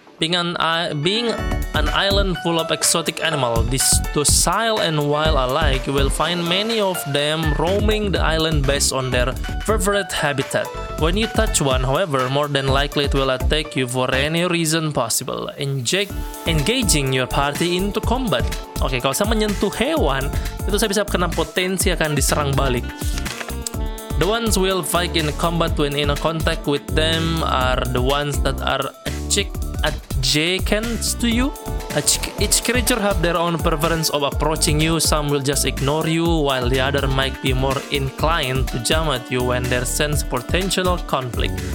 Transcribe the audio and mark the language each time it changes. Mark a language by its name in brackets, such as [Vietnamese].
[English] Being an island full of exotic animals, these docile and wild alike, you will find many of them roaming the island based on their favorite habitat. When you touch one, however, more than likely it will attack you for any reason possible, engaging your party into combat. [Indonesian] Okay, kalau saya menyentuh hewan, itu saya bisa kena potensi akan diserang balik. [English] The ones will fight in combat when in a contact with them are the ones that are adjacent to you. Each creature have their own preference of approaching you. Some will just ignore you, while the other might be more inclined to jump at you when they sense potential conflict.